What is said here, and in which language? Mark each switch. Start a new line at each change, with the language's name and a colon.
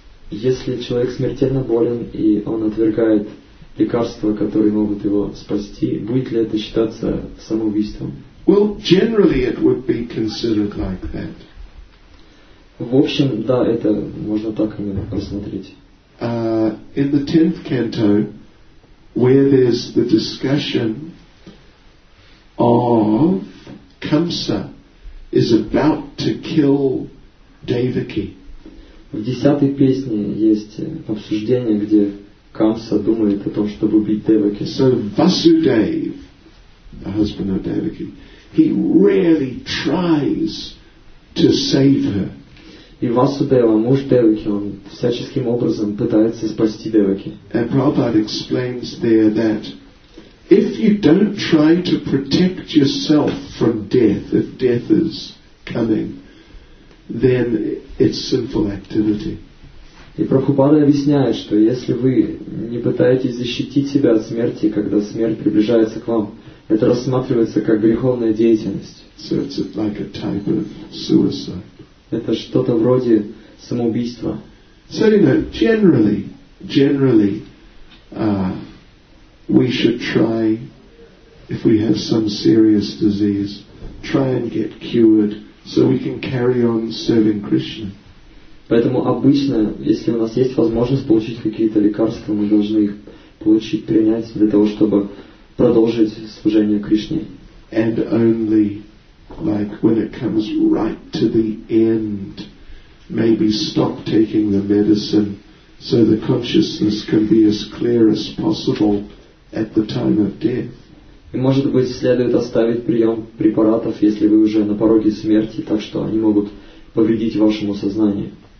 Russian: Если человек смертельно болен и он отвергает лекарства, которые могут его спасти, будет ли это считаться самоубийством?
English: Well, generally it would be considered like that.
Russian: В общем, да, это можно так именно рассмотреть.
English: In the 10th canto, where there's the discussion of Kamsa is about to kill Devaki.
Russian: В десятой песне есть обсуждение, где Камса думает о том, чтобы убить Деваки.
English: So Vasudev, the husband of Devaki, he really tries to save her.
Russian: И Васудева, муж Деваки, он всяческим образом пытается спасти Деваки.
English: And Prabhupada explains there that if you don't try to protect yourself from death, if death is coming, then it's sinful activity.
Russian: И Прабхупада объясняет, что если вы не пытаетесь защитить себя от смерти, когда смерть приближается к вам, это рассматривается как греховная деятельность.
English: So it's like a type of suicide.
Russian: Это что-то вроде самоубийства.
English: So, you know, generally, we should try, if we have some serious disease, try and get cured so we can carry on serving Krishna.
Russian: Поэтому обычно, если у нас есть возможность получить какие-то лекарства, мы должны их получить, принять для того, чтобы продолжить служение Кришне.
English: And only like when it comes right to the end, maybe stop taking the medicine so the consciousness can be as clear as possible at the time of death.
Russian: И, может быть, следует оставить прием препаратов, если вы уже на пороге смерти, так что они могут повредить вашему сознанию.